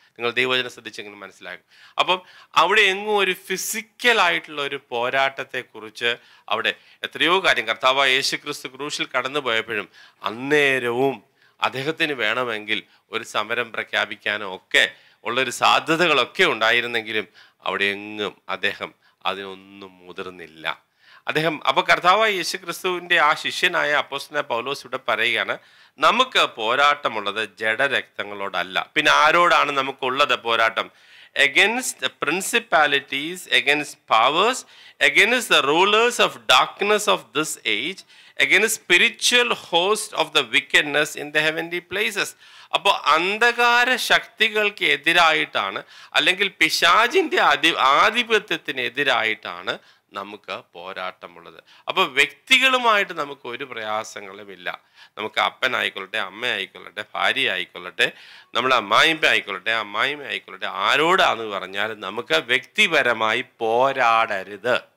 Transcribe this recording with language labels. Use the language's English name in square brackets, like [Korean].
[Malayalam] നിങ്ങൾ ദൈവവചനം ശ്രദ്ധിച്ചെങ്കിലും മനസ്സിലാക്കും. അപ്പം അവിടെ എങ്ങും ഒരു ഫിസിക്കലായിട്ടുള്ള ഒരു പോരാട്ടത്തെക്കുറിച്ച് അവിടെ എത്രയോ കാര്യം, കർത്താവായ യേശു ക്രിസ്തു ക്രൂശിൽ കടന്നു പോയപ്പോഴും അന്നേരവും അദ്ദേഹത്തിന് വേണമെങ്കിൽ ഒരു സമരം പ്രഖ്യാപിക്കാനോ ഒക്കെ ഉള്ളൊരു സാധ്യതകളൊക്കെ ഉണ്ടായിരുന്നെങ്കിലും അവിടെ എങ്ങും അദ്ദേഹം അതിനൊന്നും മുതിർന്നില്ല. അദ്ദേഹം അപ്പൊ കർത്താവായ യേശു ക്രിസ്തുവിന്റെ ആ ശിഷ്യനായ അപ്പോസ്തലനായ പൗലോസ് ഇവിടെ പറയുകയാണ്, നമുക്ക് പോരാട്ടമുള്ളത് ജഡരക്തങ്ങളോടല്ല. പിന്നെ ആരോടാണ് നമുക്കുള്ളത് പോരാട്ടം? [English] Against the principalities, against powers, against the rulers of darkness of this age, against spiritual hosts of the wickedness in the heavenly places. [Malayalam] അപ്പോൾ അന്ധകാര ശക്തികൾക്ക് എതിരായിട്ടാണ്, അല്ലെങ്കിൽ പിശാചിൻ്റെ ആധിപത്യത്തിനെതിരായിട്ടാണ് നമുക്ക് പോരാട്ടമുള്ളത്. അപ്പോൾ വ്യക്തികളുമായിട്ട് നമുക്ക് ഒരു പ്രയാസങ്ങളും ഇല്ല. നമുക്ക് അപ്പനായിക്കൊള്ളട്ടെ, അമ്മയായിക്കൊള്ളട്ടെ, ഭാര്യ ആയിക്കൊള്ളട്ടെ, നമ്മുടെ അമ്മായിമ്മ ആയിക്കൊള്ളട്ടെ, അമ്മായിമ്മ ആയിക്കൊള്ളട്ടെ, ആരോടാന്ന് പറഞ്ഞാലും നമുക്ക് വ്യക്തിപരമായി പോരാടരുത്.